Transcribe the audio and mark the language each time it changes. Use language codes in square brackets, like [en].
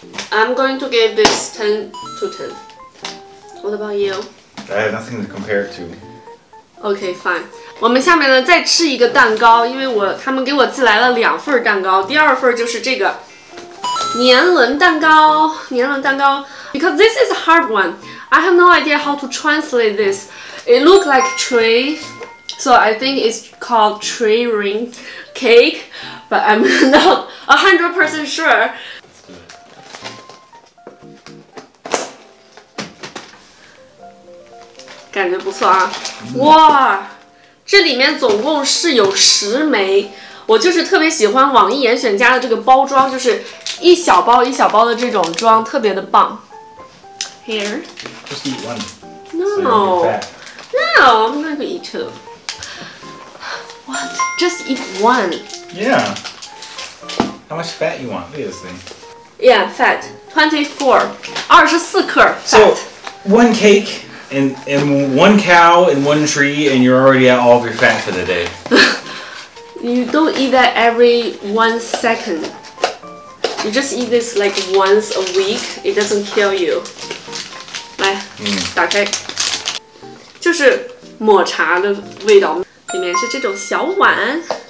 [en] I'm going to give this 10 to 10. What about you? I have nothing to compare it to. Okay, fine. [zh] 我们下面呢再吃一个蛋糕，因为他们给我寄来了两份蛋糕，第二份就是这个年轮蛋糕。年轮蛋糕 [en] ，because this is a hard one. I have no idea how to translate this. It looks like tree, so I think it's called tree ring cake, but I'm not 100% sure. [zh] 感觉不错啊，哇，这里面总共是有10枚，我就是特别喜欢网易严选家的这个包装，就是一小包一小包的这种装，特别的棒。 [en] Here. Just eat one. No. No, I'm not going to eat two. What? Just eat one. Yeah. How much fat you want? Look at this thing. Yeah, fat. 24. 24克 fat. So, one cake. And one cow and one tree, and you're already at all of your fat for the day. You don't eat that every 1 second. You just eat this like once a week. It doesn't kill you. [zh] 来，打开，就是抹茶的味道，里面是这种小碗。